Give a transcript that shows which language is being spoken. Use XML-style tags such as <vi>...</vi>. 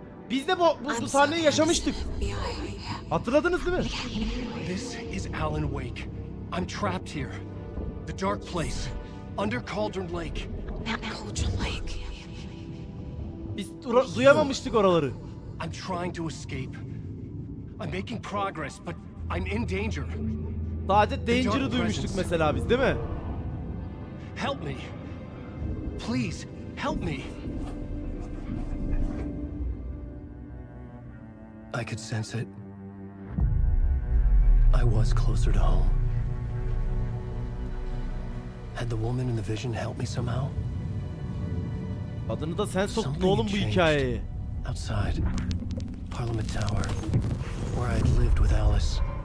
<tr>Biz de bu sahneyi yaşamıştık. Hatırladınız değil mi?</tr> <en>This is Alan Wake. I'm trapped here. The dark place under Cauldron Lake. Cauldron Lake.</en> <tr>Biz duyamamıştık oraları.</tr> <en>I'm trying to escape. I'm making progress, but I'm in danger.</en> <tr>Sadece Danger'ı duymuştuk mesela biz, değil mi?</tr> <en>Help me. Please, help me. I could sense it. I was closer to home. Had the woman in the vision helped me somehow?</en> <tr>Adını da sen soktun oğlum bu hikayeyi.</tr> <en>Outside Parliament Tower, where I'd lived with Alice.</en>